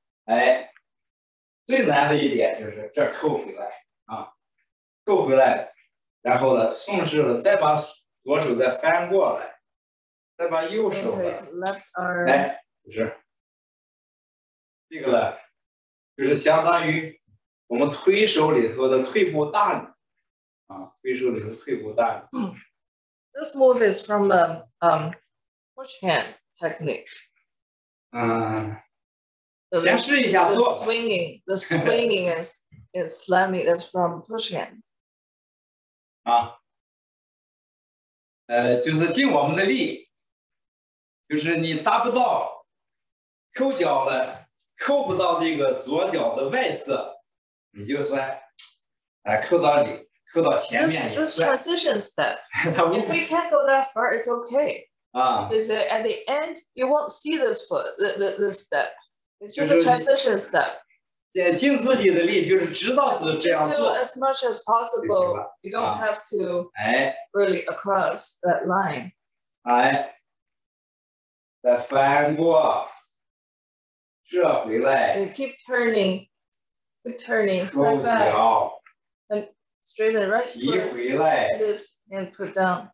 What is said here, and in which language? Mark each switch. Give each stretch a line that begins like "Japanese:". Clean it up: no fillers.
Chinese: 哎，最难的一点就是这扣回来啊，扣回来，然后呢，顺势了再把左手再翻过来，再把右手的
English: left arm
Chinese: 来，就是这个了，就是相当于我们推手里头的退步大拇啊，推手里头退步大拇。
English: This move is from the push hand technique.
Chinese: 先试一下做。
English: The swinging is slamming is from push hand.
Chinese: 啊，就是尽我们的力，就是你达不到扣脚了，扣不到这个左脚的外侧，你就算扣到里。
English: This transition step. If we can't go that far, it's okay. Because at the end, you won't see this foot, this step. It's just a transition step.
Chinese: 尽自己的力，就是知道是这样做。
English: Just do as much as possible. You don't have to really across that line.
Chinese: 哎，再翻过，这回来。
English: And keep turning, step back. Straighten the right foot, lift and put down.